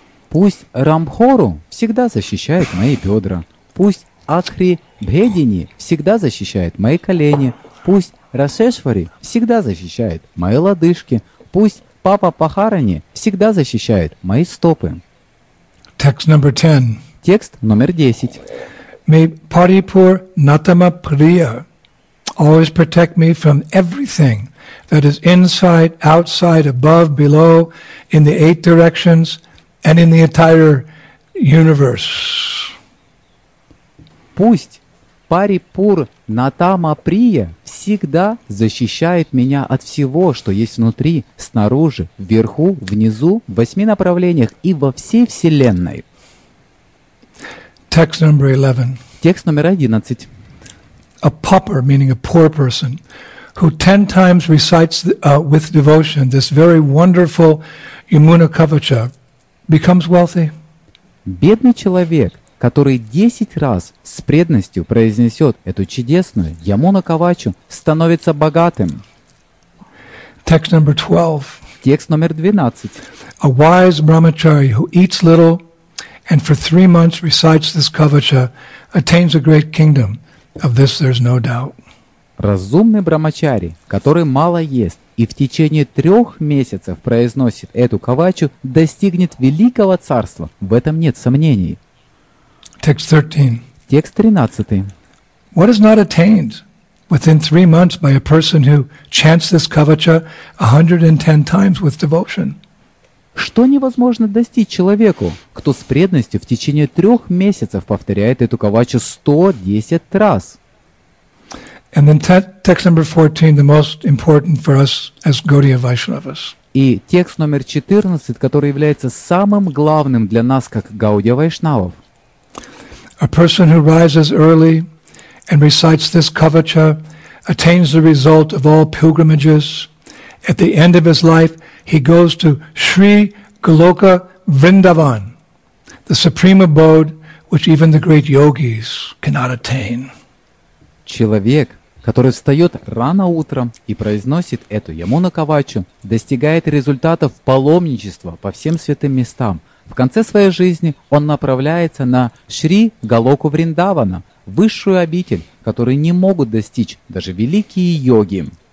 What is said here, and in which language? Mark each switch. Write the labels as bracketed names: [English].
[Russian] Пусть Рамбхору всегда защищает мои бедра. Пусть Акхри Бхедини всегда защищает мои колени. Пусть Расешвари всегда защищает мои лодыжки. Пусть Папа Пахарани всегда защищает мои стопы. [English] Text number 10. [Russian] Текст номер 10. [English] May Paripur Natama Priya always protect me from everything that is inside, outside, above, below, in the eight directions, and in the entire universe. [Russian] Пусть Парипур Натама Прия всегда защищает меня от всего, что есть внутри, снаружи, вверху, внизу, в восьми направлениях и во всей Вселенной. [English] Text number 11. [Russian] Текст номер 11. [English] A pauper, meaning a poor person, who 10 times recites with devotion this very wonderful Yamuna Kavacha, becomes wealthy. [Russian] Бедный человек который 10 раз с преданностью произнесет эту чудесную Ямуна-Кавачу, становится богатым. [English] Text number 12. [Russian] Текст номер 12. [English] A wise brahmachari who eats little and for 3 months recites this kavacha attains a great kingdom. Of this there's no doubt. [Russian] Разумный брахмачари, который мало ест и в течение 3 месяцев произносит эту кавачу, достигнет великого царства. В этом нет сомнений. [English] Text 13. [Russian] Текст 13. [English] What is not attained within 3 months by a person who chants this kavacha 110 times with devotion? [Russian] Что невозможно достичь человеку, кто с преданностью в течение 3 месяцев повторяет эту кавачу 110 раз? [English] And then text number 14, the most important for us as Gaudiya Vaishnavas. [Russian] И текст номер 14, который является самым главным для нас как Гаудия Вайшнавов. [English] A person who rises early and recites this kavacha attains the result of all pilgrimages. At the end of his life, he goes to Sri Goloka Vrindavan, the supreme abode which even the great yogis cannot attain. [Russian] Человек, который встает рано утром и произносит эту Ямуна-Кавачу, достигает результатов паломничества по всем святым местам. В конце своей жизни он направляется на Шри Галоку Вриндавана, высшую обитель, которую не могут достичь даже великие йоги.